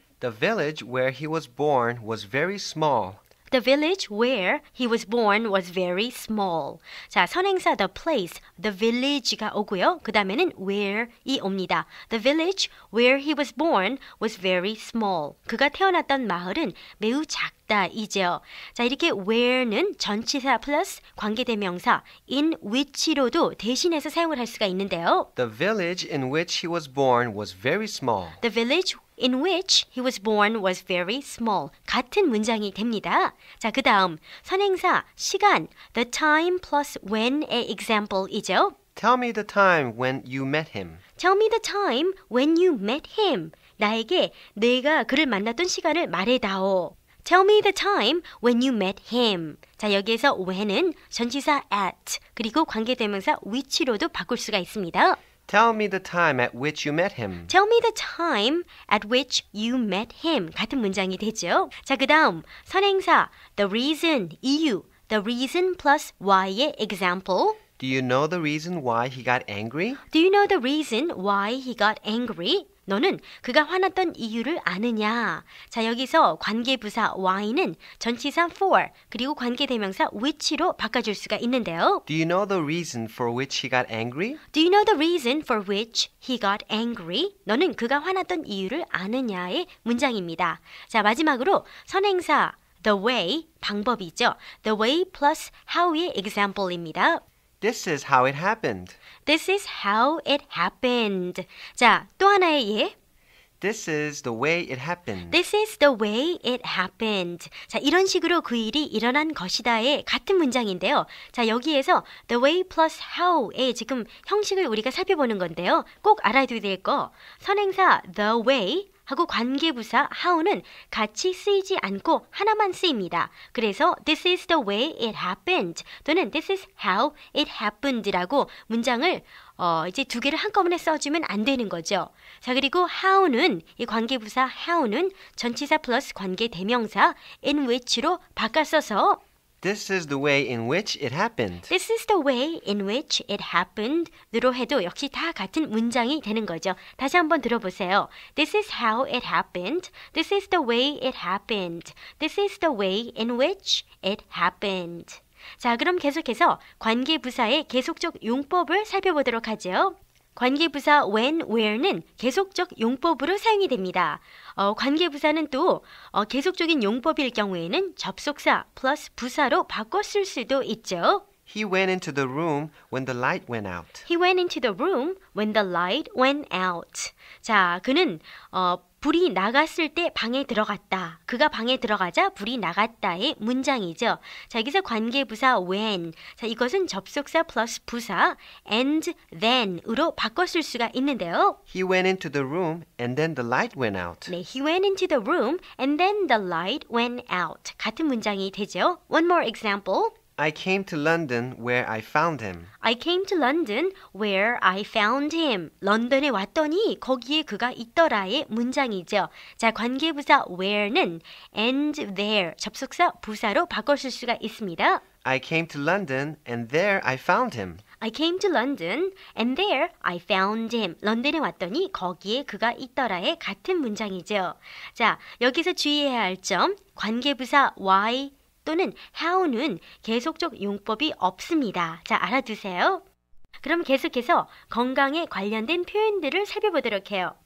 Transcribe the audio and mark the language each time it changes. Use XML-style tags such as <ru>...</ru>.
<en>The village where he was born was very small. The village where he was born was very small.</en> <ko>자, 선행사 the place, the village가 오고요. 그 다음에는 where이 옵니다.</ko> <en>The village where he was born was very small.</en> <ko>그가 태어났던 마을은 매우 작다이죠. 자, 이렇게 where는 전치사 plus 관계대명사 in which로도 대신해서 사용을 할 수가 있는데요.</ko> <en>The village in which he was born was very small. The village in which he was born was very small.</en> <ko>같은 문장이 됩니다. 자, 그 다음 선행사 시간 the time plus when의 example이죠.</ko> <en>Tell me the time when you met him. Tell me the time when you met him.</en> <ko>나에게 내가 그를 만났던 시간을 말해다오.</ko> <en>Tell me the time when you met him.</en> <ko>자, 여기에서 when은 전치사 at 그리고 관계대명사 which로도 바꿀 수가 있습니다.</ko> <en>Tell me the time at which you met him. Tell me the time at which you met him.</en> <ko>같은 문장이 되죠. 자, 그 다음 선행사 the reason, 이유 the reason plus why의 example.</ko> <en>Do you know the reason why he got angry? Do you know the reason why he got angry?</en> <ko>너는 그가 화났던 이유를 아느냐? 자, 여기서 관계부사 why는 전치사 for 그리고 관계대명사 which로 바꿔줄 수가 있는데요.</ko> <en>Do you know the reason for which he got angry? Do you know the reason for which he got angry?</en> <ko>너는 그가 화났던 이유를 아느냐의 문장입니다. 자, 마지막으로 선행사 The way, 방법이죠. The way plus how의 example입니다.</ko> <en>This is how it happened. This is how it happened.</en> <ko>자, 또 하나의 예.</ko> <en>This is the way it happened. This is the way it happened.</en> <ko>자, 이런 식으로 그 일이 일어난 것이다의 같은 문장인데요. 자, 여기에서 the way plus how의 지금 형식을 우리가 살펴보는 건데요. 꼭 알아둬야 될 거. 선행사 the way 하고 관계부사 how는 같이 쓰이지 않고 하나만 쓰입니다. 그래서</ko> <en>this is the way it happened</en> <ko>또는</ko> <en>this is how it happened</en> <ko>라고 문장을 이제 두 개를 한꺼번에 써주면 안 되는 거죠. 자, 그리고 how는 이 관계부사 how는 전치사 플러스 관계대명사 in which로 바꿔서</ko> <en>This is the way in which it happened. This is the way in which it happened.</en> <ko>으로 해도 역시 다 같은 문장이 되는 거죠. 다시 한번 들어보세요.</ko> <en>This is how it happened. This is the way it happened. This is the way in which it happened.</en> <ko>자, 그럼 계속해서 관계부사의 계속적 용법을 살펴보도록 하죠. 관계부사 when, where는 계속적 용법으로 사용이 됩니다. 관계부사는 또 계속적인 용법일 경우에는 접속사 plus 부사로 바꿔 쓸 수도 있죠.</ko> <en>He went into the room when the light went out. He went into the room when the light went out.</en> <ko>자, 그는 불이 나갔을 때 방에 들어갔다. 그가 방에 들어가자 불이 나갔다의 문장이죠. 자, 여기서 관계부사 when. 자, 이것은 접속사 플러스 부사 and then으로 바꿔 쓸 수가 있는데요.</ko> <en>He went into the room and then the light went out.</en> <ko>네,</ko> <en>he went into the room and then the light went out.</en> <ko>같은 문장이 되죠.</ko> <en>One more example. I came to London where I found him. I came to London where I found him.</en> <ko>런던에 왔더니 거기에 그가 있더라의 문장이죠. 자, 관계부사 where는 and there 접속사 부사로 바꿔 쓸 수가 있습니다.</ko> <en>I came to London and there I found him. I came to London and there I found him.</en> <ko>런던에 왔더니 거기에 그가 있더라의 같은 문장이죠. 자, 여기서 주의해야 할 점 관계부사 why 또는 how는 계속적 용법이 없습니다. 자, 알아두세요. 그럼 계속해서 건강에 관련된 표현들을 살펴보도록 해요.</ko>